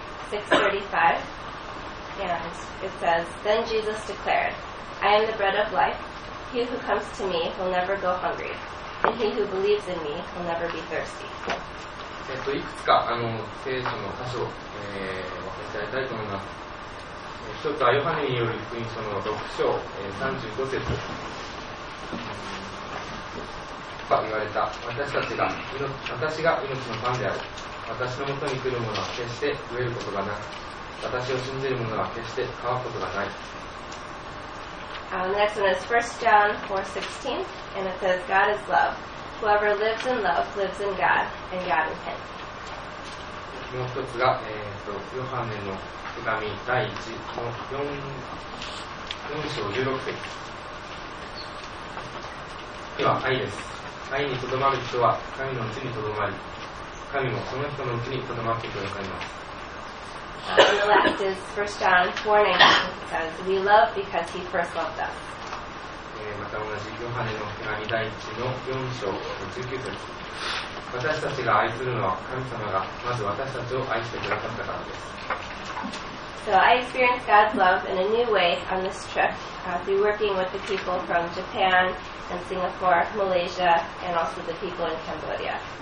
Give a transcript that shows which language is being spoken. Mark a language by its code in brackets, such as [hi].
[en] 6:35, and it says, Then Jesus declared, I am the bread of life. He who comes to me will never go hungry, and he who believes in me will never be thirsty. [ja] いくつか聖書の箇所を、お話しされたいと思います。一つはヨハネによる福音書の6章、35節と言われた、私が命のパンである。私のもとに来る者は決して飢えることがなく、私を信じる者は決して乾くことがない。 [en] The next one is 1 John 4:16, and it says, God is love. Whoever lives in love lives in God, and God in him. [ja] もう一つが、ヨハネの手紙第1の 4章16節。では、愛です。愛にとどまる人は神のうちにとどまり、神もその人のうちに留まってくださいます。 [en] And the last is 1 John 4:19. It says, We love because he first loved us. [ja] また同じヨハネの手紙第1の4章19節。私たちが愛するのは神様がまず私たちを愛してくださったからです。 [en] So I experienced God's love in a new way on this trip, through working with the people from Japan and Singapore, Malaysia, and also the people in Cambodia.